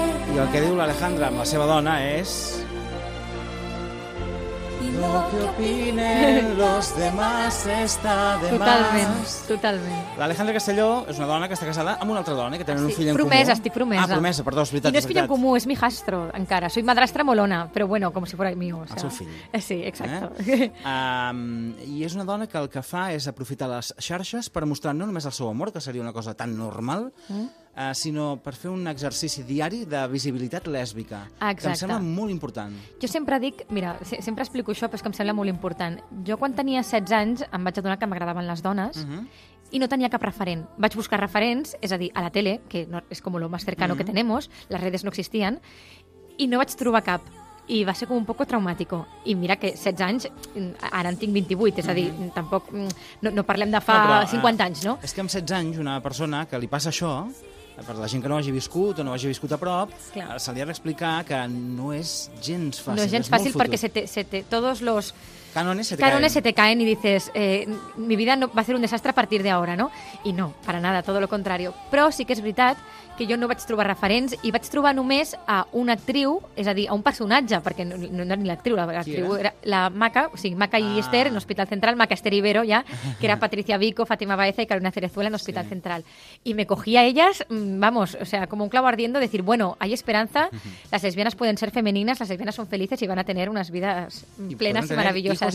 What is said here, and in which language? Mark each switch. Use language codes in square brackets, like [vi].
[ca] I el que diu l'Alejandra amb la seva dona és... [es] Lo que opinen los demás está de más. [ca] Totalment. L'Alejandra Castelló és una dona que està casada amb una altra dona, que tenen un fill en comú. Estic promesa. Ah, promesa, perdó, és veritat. I no és fill en comú, és [es] mi hijastro, [ca] encara. [es] Soy madrastra molona, però bueno, com si fuera mío. [ca] El seu fill. [es] Sí, exacto. [ca] I és una dona que el que fa és aprofitar les xarxes per mostrar no només el seu amor, que seria una cosa tan normal, sinó per fer un exercici diari de visibilitat lèsbica. Exacte. Que em sembla molt important. Jo sempre dic, mira, sempre explico això, però és que em sembla molt important. Jo quan tenia 16 anys em vaig adonar que m'agradaven les dones i no tenia cap referent. Vaig buscar referents, és a dir, a la tele, que no, és com [es] lo más cercano que tenemos, [ca] les redes no existien, i no vaig trobar cap. I va ser com [es] un poco traumático. [ca] I mira que 16 anys, ara en tinc 28, és a dir, tampoc... No parlem de fa però, 50 anys, no? És que amb 16 anys una persona que li passa això... Per la gent que no hagi viscut o no hagi viscut a prop, se li ha d'explicar que no és gens fàcil. No és gens fàcil perquè [es] se te todos los... Cánones se te caen y dices, mi vida no, va a ser un desastre a partir de ahora, ¿no? Y no, para nada, todo lo contrario. [ca] Però sí que és veritat que jo no vaig trobar referents i vaig trobar només a una actriu, és a dir, a un personatge, perquè no era ni l'actriu, l'actriu era la Maca, o sigui, Maca i Esther en Hospital Central, Maca, Esther Ibero, ja, que era Patricia Vico, Fátima Baeza i Carolina Cerezuela en Hospital Central. [es] I me cogí a elles, vamos, o sea, como un clavo ardiendo, decir, bueno, hay esperanza, las lesbianas pueden ser femeninas, las lesbianas son felices y van a tener unas vidas plenas y maravillosas.